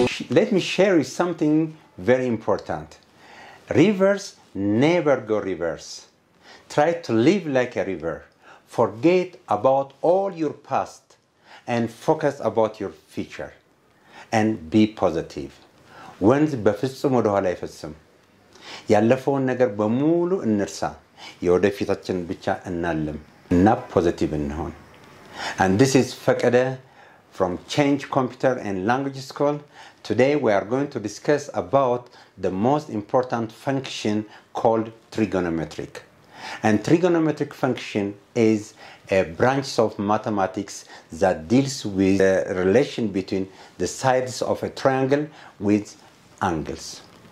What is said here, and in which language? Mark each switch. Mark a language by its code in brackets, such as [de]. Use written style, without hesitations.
[en] Let me share you something very important. Rivers never go reverse. Try to live like a river. Forget about all your past and focus about your future. And be positive. [am] ወንዝ በፍጹም ወደ ኋላ አይፈስም። ያለፈውን ነገር በሙሉ እንርሳ። የወደፊታችን ብቻ እናልም እና ፖዚቲቭ እንሆን። [en] And this is Fakada from Change Computer and Language School. Today we are going to discuss about the most important function called trigonometric. And trigonometric function is a branch of mathematics that deals with the relation between the sides of a triangle with angles.